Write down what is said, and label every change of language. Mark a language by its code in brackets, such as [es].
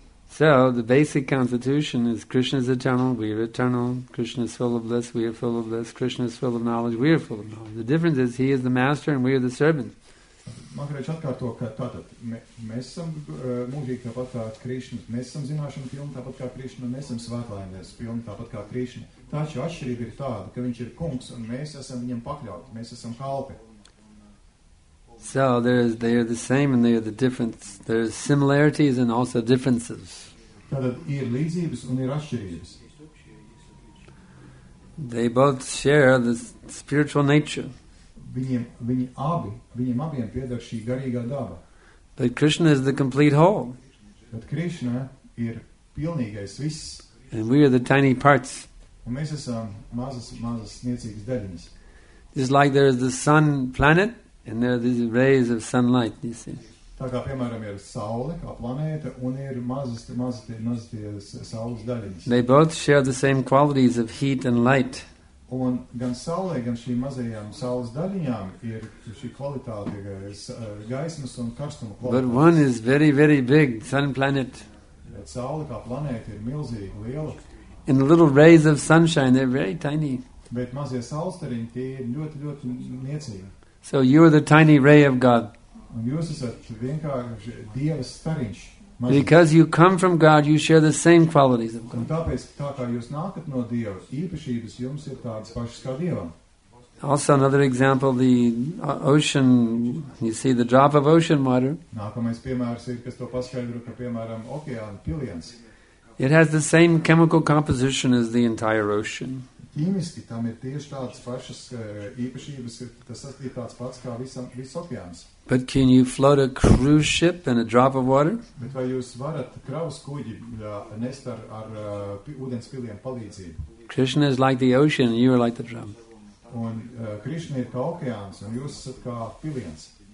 [en] So the basic constitution is Krishna is eternal, we are eternal, Krishna is full of bliss, we are full of bliss, Krishna is full of knowledge, we are full of knowledge. The difference is he is the master and we are the servant. [lv] Mahārāj atkārto, ka tātad mēs esam mūžīgi tāpat kā Krišna, mēs esam zināšanu pilni tāpat kā Krišna, mēs esam svētlaimnieks pilni tāpat kā Krišna. Taču atšķirība ir tāda, ka viņš ir kungs un mēs esam viņam pakļauti, mēs esam kalpi. [en] So they are the same and they are the difference. There are similarities and also differences. [lv] Tātad ir līdzības un ir atšķirības. [en] They both share the spiritual nature. [lv] Viņiem abiem pieder šī garīgā daba. [en] But Krishna is the complete whole. [lv] Bet Krishna ir pilnīgais viss. [en] And we are the tiny parts. [lv] Un mēs esam mazas niecīgas daļiņas. [en] Just like there is the sun planet and there are these rays of sunlight, you see. [lv] Tā kā, piemēram, ir saule kā planēta un ir mazas saules daļiņas. [en] They both share the same qualities of heat and light. [lv] Un gan saulē, gan šīm mazajām saules daļiņām ir šī kvalitāte gaismas un karstuma kvalitāte. [en] But one is very, very big, sun planet. [lv] Bet saule kā planēta ir milzīga, liela. [en] And the little rays of sunshine, they're very tiny. [lv] Bet mazie saulstariņi, tie ir ļoti, ļoti niecīgi. [en] So you are the tiny ray of God. [lv] Un jūs esat vienkārši Dieva stariņš. [en] Because you come from God, you share the same qualities of God. [lv] Tāpēc, tā kā jūs nākat no Dieva, īpašības jums ir tādas pašas kā Dievam. [en] Also another example, the ocean, you see the drop of ocean water. [lv] Nākamais piemērs ir, kas to paskaidro, ka piemēram okeāna piliens. [en] It has the same chemical composition as the entire ocean. [lv] Ķīmiski tam ir tieši tādas pašas īpašības, tas ir tāds pats kā viss okeāns. [en] But can you float a cruise ship in a drop of water? [lv] Bet vai jūs varat kravas kuģi nest ar ūdens piliem palīdzību? [en] Krishna is like the ocean and you are like the drum. [lv] Un Krishna ir kā okeāns un jūs esat kā piliens.